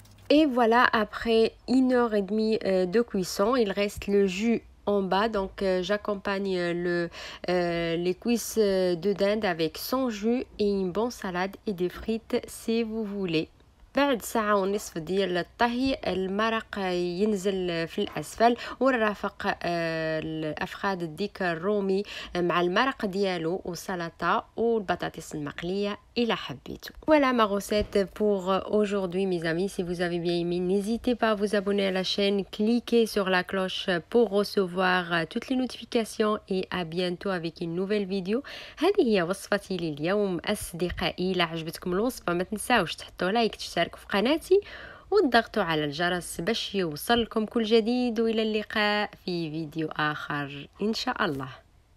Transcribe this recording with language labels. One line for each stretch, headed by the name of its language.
French: Et voilà, après 1h30 de cuisson, il reste le jus en bas, donc j'accompagne les cuisses de dinde avec son jus et une bonne salade et des frites si vous voulez.
Arabic: بعد ساعة ونصف ديال الطهي المرق ينزل في الأسفل ونرافق أفخاد الديك الرومي مع المرق ديالو وسلطة والبطاطس المقلية إلى حبيتو.
French: Voilà ma recette pour aujourd'hui mes amis. Si vous avez bien aimé, n'hésitez pas à vous abonner à la chaîne, cliquez sur la cloche pour recevoir toutes les notifications et à bientôt avec une nouvelle vidéo.
Arabic: هذه هي وصفتي لليوم أصدقائي. إلا عجبتكم الوصفة ما تنساوش تحطوا لايك، تشتركوا في قناتي وتضغطوا على الجرس باش يوصلكم كل جديد. وإلى اللقاء في فيديو آخر إن شاء الله.